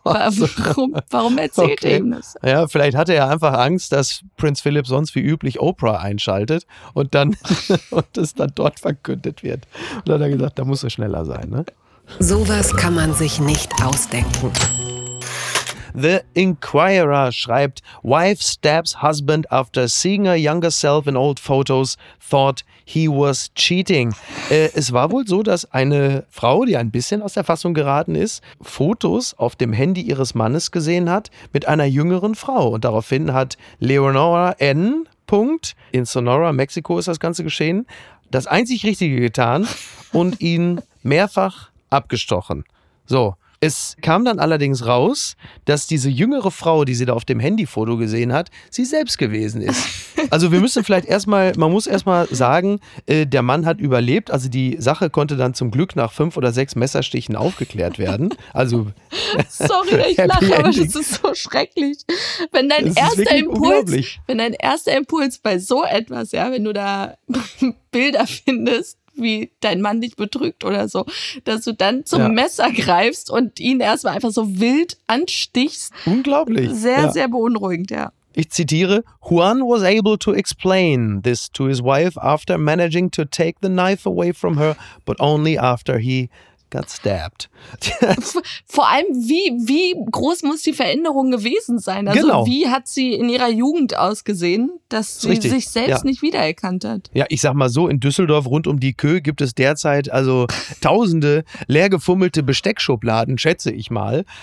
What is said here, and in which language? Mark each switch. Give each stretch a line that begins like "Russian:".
German: warum erzählt er ihm das? Ja, vielleicht hatte er einfach Angst, dass Prinz Philip sonst wie üblich Oprah einschaltet und das dann dort verkündet wird. Und dann hat er gesagt, da muss er schneller sein, ne? Sowas kann man sich nicht ausdenken.
English: The Inquirer
German: schreibt,
English: Wife stabs husband after seeing her younger self in old photos, thought he was cheating.
German: Es war wohl so, dass eine Frau, die ein bisschen aus der Fassung geraten ist, Fotos auf dem Handy ihres Mannes gesehen hat mit einer jüngeren Frau. Und daraufhin hat Leonora N. in Sonora, Mexiko ist das Ganze geschehen, das einzig Richtige getan und ihn mehrfach abgestochen. So. Es kam dann allerdings raus, dass diese jüngere Frau, die sie da auf dem Handyfoto gesehen hat, sie selbst gewesen ist. Also wir müssen vielleicht erstmal, man muss erstmal sagen, der Mann hat überlebt. Also die Sache konnte dann zum Glück nach 5 oder 6 Messerstichen aufgeklärt werden. Also sorry, ich lache, aber das ist so schrecklich. Wenn dein erster Impuls, bei so etwas, ja, wenn du da Bilder findest, wie dein Mann dich betrügt oder so, dass du dann zum Messer greifst und ihn erstmal einfach so wild anstichst. Unglaublich. Sehr, sehr beunruhigend, ja. Ich zitiere,
English: Juan was able to explain this to his wife after managing to take the knife away from her, but only after he got stabbed.
German: Vor allem, wie groß muss die Veränderung gewesen sein? Also genau. Wie hat sie in ihrer Jugend ausgesehen, dass sie sich selbst nicht wiedererkannt hat? Ja, ich sag mal so, in Düsseldorf rund um die Kö gibt es derzeit also tausende leergefummelte Besteckschubladen, schätze ich mal.